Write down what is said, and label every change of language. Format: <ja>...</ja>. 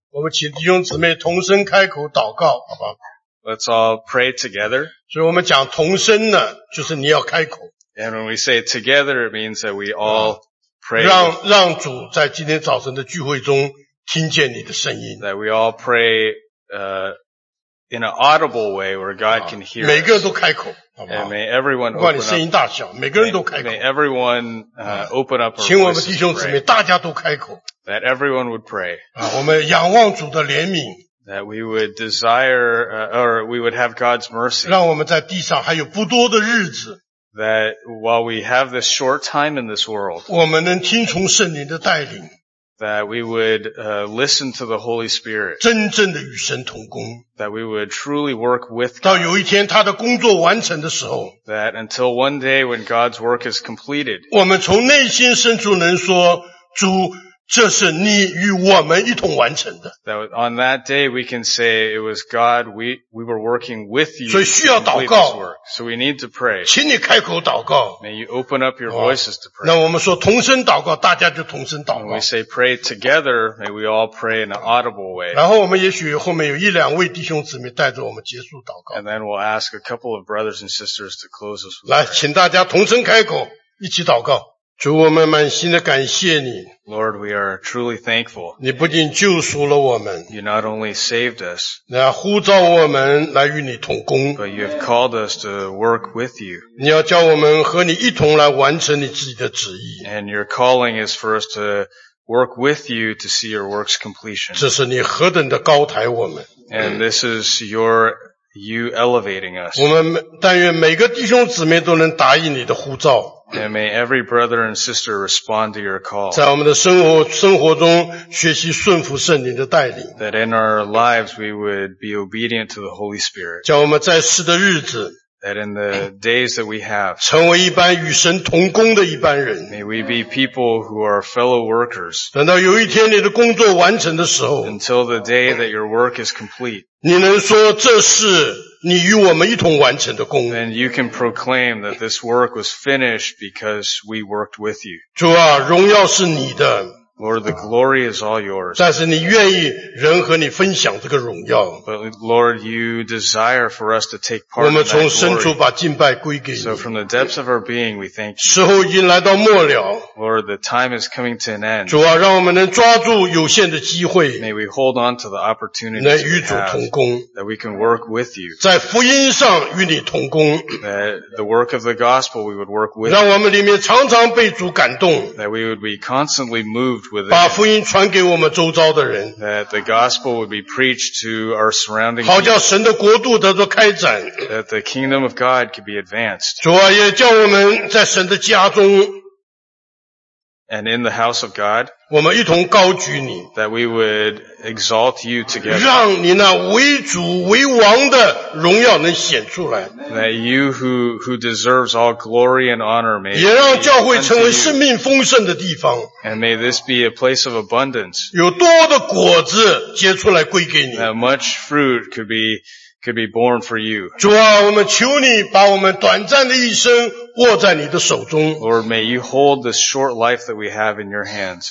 <zh>请弟兄姊妹同声开口祷告，好吧</zh> <en>？Let's all pray together.</en> <zh>所以我们讲同声呢，就是你要开口。</zh> <en>And when we say together, it means that we all pray.</en> <zh>让主在今天早晨的聚会中听见你的声音。</zh> <en>That we all pray, in an audible way where God can hear.</en> <zh>每个人都开口，好吧</zh> <en>？And may everyone</en> <zh>不管你声音大小，每个人都开口。</zh> <en>May everyone open up.</en> <zh>请我们弟兄姊妹大家都开口。</zh> <en>That everyone would pray.</en> <zh>我们仰望主的怜悯。</zh> <en>That we would desire, or we would have God's mercy.</en> <zh>让我们在地上还有不多的日子。</zh> <en>That while we have this short time in this world,</en> <zh>我们能听从圣灵的带领。</zh> <en>That we would, listen to the Holy Spirit.</en> <zh>真正的与神同工。</zh> <en>That we would truly work with God.</en> <zh>到有一天他的工作完成的时候。</zh> <en>That until one day when God's work is completed.</en> <zh>我们从内心深处能说主这是你与我们一同完成的。</zh> <en>That on that day we can say it was God, we were working with you.</en> <zh>所以需要祷告。</zh> <en>So we need to pray.</en> <zh>请你开口祷告。</zh> <en>May you open up your voices to pray.</en> <zh>那我们说同声祷告，大家就同声祷告。</zh> <en>When we say pray together, may we all pray in an audible way.</en> <zh>然后我们也许后面有一两位弟兄姊妹带着我们结束祷告。</zh> <en>And then we'll ask a couple of brothers and sisters to close us with.</en> <zh>来，请大家同声开口，一起祷告。主，我们满心的感谢你。</zh> <en>Lord, we are truly thankful.</en> <zh>你不仅救赎了我们。</zh> <en>You not only saved us.</en> <zh>你呼召我们来与你同工。</zh> <en>But you have called us to work with you.</en> <zh>你要叫我们和你一同来完成你自己的旨意。</zh> <en>And your calling is for us to work with you to see your work's completion.</en> <zh>这是你何等的高抬我们。</zh> <en>And this is your you elevating us.</en> <zh>我们但愿每个弟兄姊妹都能答应你的呼召。</zh> <en>And may every brother and sister respond to your call.</en> <zh>在我们的生活中学习顺服圣灵的带领。</zh> <en>That in our lives we would be obedient to the Holy Spirit.</en> <zh>叫我们在世的日子。</zh> <en>That in the days that we have.</en> <zh>成为一般与神同工的一般人。</zh> <en>May we be people who are fellow workers.</en> <zh>等到有一天你的工作完成的时候。</zh> <en>Until the day that your work is complete.</en> <zh>你能说这是你与我们一同完成的工。</zh> <en>And you can proclaim that this work was finished because we worked with you.</en> <zh>主啊，荣耀是你的。</zh> <en>Lord, the glory is all yours.</en> <zh>但是你愿意人和你分享这个荣耀。</zh> <en>But Lord, you desire for us to take part in</en> <zh>我们从深处把敬拜归给你。</zh> <en>So from the depths of our being, we thank you.</en> <zh>时候已经来到末了。</zh> <en>Lord, the time is coming to an end.</en> <zh>主啊，让我们能抓住有限的机会。</zh> <en>May we hold on to the opportunity that we have.</en> <zh>与主同工。</zh> <en>That we can work with you.</en> <zh>在福音上与你同工。</zh> <en>That the work of the gospel we would work with.</en> <zh>让我们里面常常被主感动。</zh> <en>That we would be constantly moved.</en> <zh>把福音传给我们周遭的人。</zh> <en>That the gospel would be preached to our surrounding people.</en> <zh>好叫神的国度得到开展。</zh> <en>That the kingdom of God could be advanced.</en> <zh>主啊，也叫我们在神的家中。</zh> <en>And in the house of God.</en> <zh>我们一同高举你。</zh> <en>That we would exalt you together.</en> <zh>让你那为主为王的荣耀能显出来。</zh> <en>That you who deserves all glory and honor may.</en> <zh>也让教会成为生命丰盛的地方。</zh> <en>And may this be a place of abundance.</en> <zh>有多的果子结出来归给你。</zh> <en>That much fruit could be born for you.</en> <zh>主啊，我们求你把我们短暂的一生握在你的手中。</zh> <en>Lord, may you hold this short life that we have in your hands.</en>